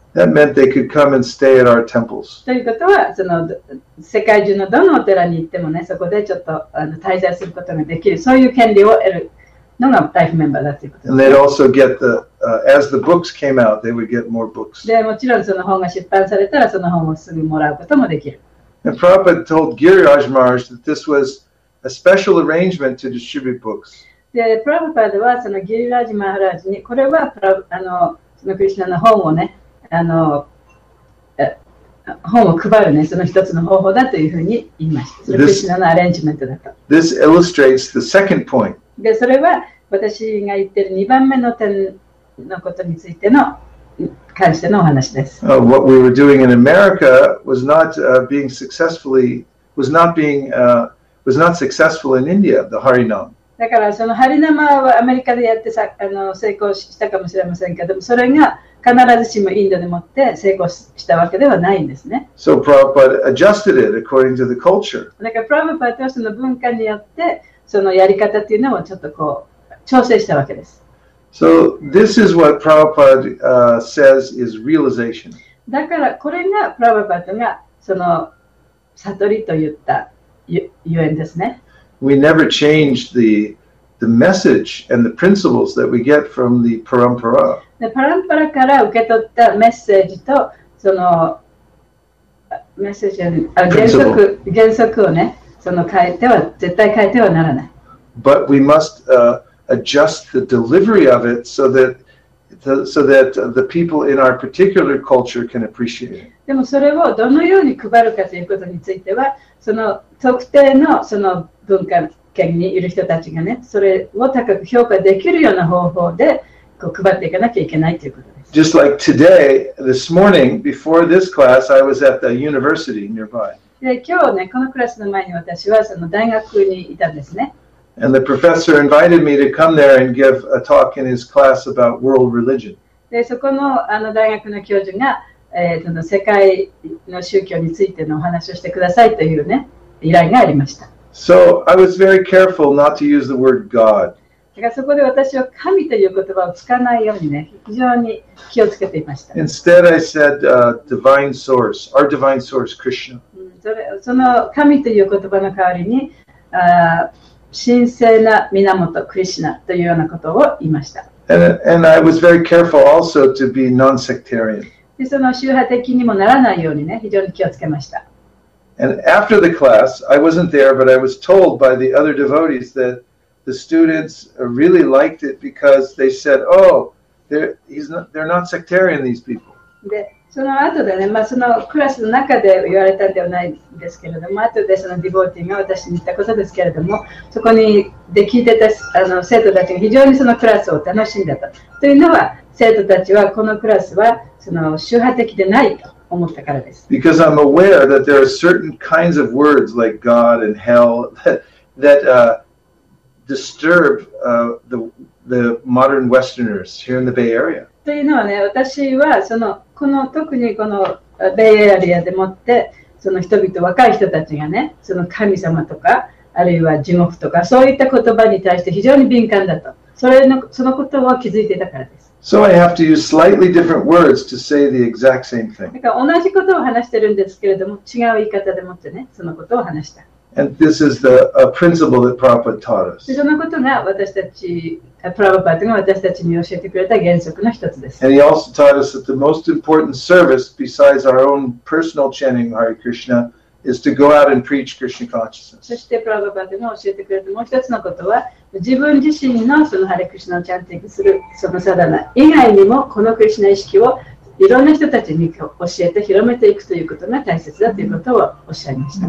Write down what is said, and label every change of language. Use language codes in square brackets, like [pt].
[en] That meant they could come and stay at our temples. [ja] ということは、その世界中のどのお寺に行ってもね、そこでちょっとあの滞在することができる、そういう権利を得るのがライフメンバーだということです。 [en] And they'd also get the, as the books came out, they would get more books. [ja] で、もちろんその本が出版されたら、その本をすぐもらうこともできる。 [en] And Prabhupada told Giriraj Maharaj that this was a special arrangement to distribute books. [ja] で、プラバパダはそのギリラジ・マハラジにこれはプラあのそのクリシナの本をねあの本を配るねその一つの方法だというふうに言いました。クリシナのアレンジメントだと。 [en] This illustrates the second point. [ja] で、それは私が言ってる2番目の点のことについての関してのお話です。 [en] What we were doing in America was not being successfully was not being was not successful in India the Harinam. [ja] だからそのハリナマはアメリカでやってさあの成功したかもしれませんけど、それが必ずしもインドでもって成功したわけではないんですね。 [en] So Prabhupada adjusted it according to the culture. [ja] だからプラヴァパダはその文化によってそのやり方っていうのをちょっとこう調整したわけです。 [en] So this is what Prabhupada says is realization. [ja] だからこれがプラヴァパダがその悟りと言ったゆえんですね。 [en] We never change the message and the principles that we get from the parampara. [ja] で、パランパラから受け取ったメッセージとそのメッセージの原則をね、その変えては絶対変えてはならない。 [en] But we must adjust the delivery of it so that the people in our particular culture can appreciate it. [ja] でもそれをどのように配るかということについては、その特定のその文化圏にいる人たちがね、それを高く評価できるような方法でこう配っていかなきゃいけないということです。 [en] Just like today, this morning, before this class, I was at the university nearby. [ja] で、今日ね、このクラスの前に私はその大学にいたんですね。 [en] And the professor invited me to come there and give a talk in his class about world religion. [ja] で、そこの、あの大学の教授が、その世界の宗教についてのお話をしてくださいというね、依頼がありました。 [en] So I was very careful not to use the word God. [ja] だからそこで私は神という言葉を使わないようにね、非常に気をつけていました。 [en] Instead I said, divine source, our divine source, Krishna. [ja] その神という言葉の代わりに、神聖な源クリシナというようなことを言いました。 [en] And I was very careful also to be non-sectarian. [ja] で、その宗派的にもならないようにね、非常に気をつけました。 [en] And after the class, I wasn't there, but I was told by the other devotees that the students really liked it because they said, oh, they're not sectarian, these people. [ja] で、その後でね、まあ、そのクラスの中で言われたんではないですけれども、後でそのディボーティーが私に言ったことですけれども、そこにで聞いてたあの生徒たちが非常にそのクラスを楽しんだと。というのは、生徒たちはこのクラスはその宗派的でないと思ったからです。 [en] Because I'm aware that there are certain kinds of words like God and hell that disturb the modern Westerners here in the Bay Area. [ja] というのはね、私はそのこの特にこのベイエリアでもってその人々、若い人たちがね、その神様とかあるいは地獄とかそういった言葉に対して非常に敏感だと、それのそのことを気づいていたからです。 [en] So I have to use slightly different words to say the exact same thing. [ja] だから同じことを話してるんですけれども、違う言い方でもってね、そのことを話した。 [en] And this is the principle that Prabhupada taught us. [ja] そのことが私たちプラバパティが私たちに教えてくれた原則の一つです。 [en] And he also taught us that the most important service besides our own personal chanting Hare Krishna is to go out and preach Krishna consciousness. [ja] そしてプラバパティが教えてくれたもう一つのことは、自分自身のそのハレクリシナをチャンティングするそのサダナ以外にもこのクリシナ意識をいろんな人たちに教えて広めていくということが大切だということをおっしゃいました。